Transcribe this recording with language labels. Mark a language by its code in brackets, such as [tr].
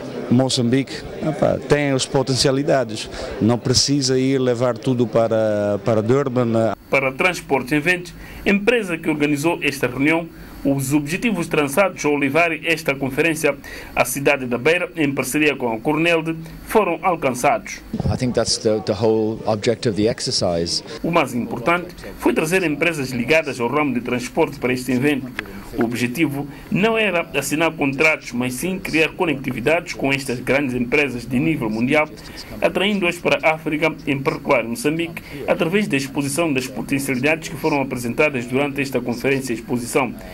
[pt] Moçambique, opa, tem as potencialidades, não precisa ir levar tudo para Durban. Para Transportes em Vente, empresa que organizou esta reunião, Os objetivos traçados ao levar esta conferência à cidade da Beira, em parceria com a Cornell, foram alcançados. [en] I think that's the whole objective of the exercise. [pt] O mais importante foi trazer empresas ligadas ao ramo de transporte para este evento. O objetivo não era assinar contratos, mas sim criar conectividades com estas grandes empresas de nível mundial, atraindo-as para a África, em particular Moçambique, através da exposição das potencialidades que foram apresentadas durante esta conferência e exposição.